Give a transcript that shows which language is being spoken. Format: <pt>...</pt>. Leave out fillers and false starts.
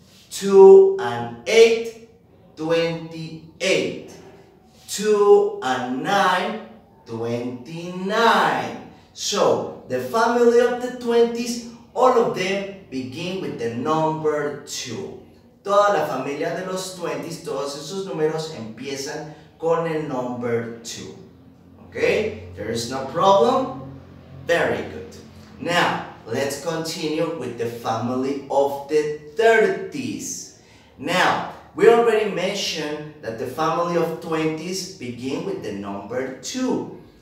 <en>2 and 8, 28. 2 and 9, 29. So, the family of the 20s, all of them begin with the number 2.</en> <es>Toda la familia de los 20s, todos esos números empiezan con el number 2.</es> <en>Okay? There is no problem? Very good. Now, let's continue with the family of the 30s. Now, we already mentioned that the family of 20s begin with the number 2.</en>